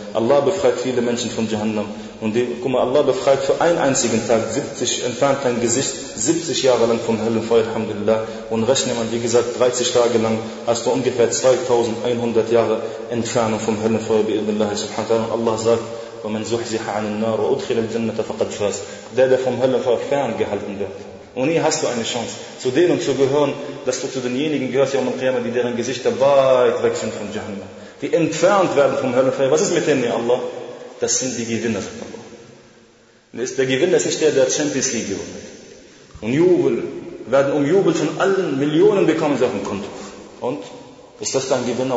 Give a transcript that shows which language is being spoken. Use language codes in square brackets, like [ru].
[de] Allah befreit viele Menschen von Jahannam. Und guck mal, Allah befreit für einen einzigen Tag, entfernt dein Gesicht 70 Jahre lang vom Höllenfeuer, Alhamdulillah. Und rechne man, wie gesagt, 30 Tage lang, hast du ungefähr 2100 Jahre Entfernung vom Höllenfeuer, bi'idhnillah, subhanahu wa ta'ala. [ar] Und Allah sagt, وَمَنْ زُحْزِحَ عَنِ النَّارِ وَأُدْخِلَ الْجَنَّةَ فَقَدْ فَازَ. [de] Der vom Höllenfeuer ferngehalten wird. Und hier hast du eine Chance, zu denen zu gehören, dass du zu denjenigen gehörst, die, Qiyamah, die deren Gesichter weit weg sind von Jahannam. Die entfernt werden vom Höllenfeuer. Was ist mit denen, ja Allah? Das sind die Gewinner, sagt Allah. Der Gewinner ist nicht der, der Champions League gewonnen hat. Und Jubel, werden umjubelt von allen Millionen, bekommen sie auf dem Konto. Und? Ist das dein Gewinner?